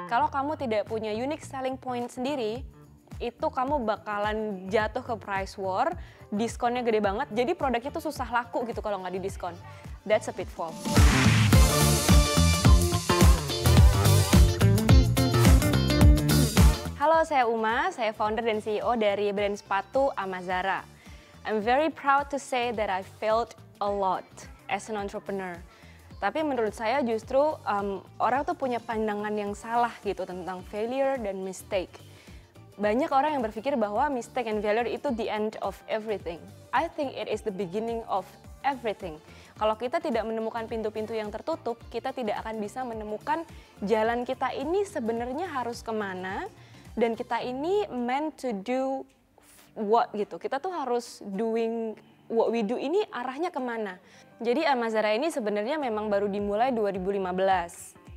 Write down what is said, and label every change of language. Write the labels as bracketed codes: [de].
[id] kamu tidak punya unique selling point sendiri, itu kamu bakalan jatuh ke price war, diskonnya gede banget, jadi produknya tuh susah laku gitu kalau nggak didiskon. [en] That's a pitfall. [id] Halo, saya Uma, saya founder dan CEO dari brand sepatu Amazara. [en] I'm very proud to say that I failed a lot as an entrepreneur. [id] Tapi menurut saya justru orang tuh punya pandangan yang salah gitu tentang failure dan mistake. Banyak orang yang berpikir bahwa mistake and failure itu [en] the end of everything. I think it is the beginning of everything. [id] Kalau kita tidak menemukan pintu-pintu yang tertutup, kita tidak akan bisa menemukan jalan kita ini sebenarnya harus kemana, dan kita ini [en] meant to do what [id] gitu. Kita tuh harus [en] doing what we do [id] ini arahnya kemana. Jadi Amazara ini sebenarnya memang baru dimulai 2015.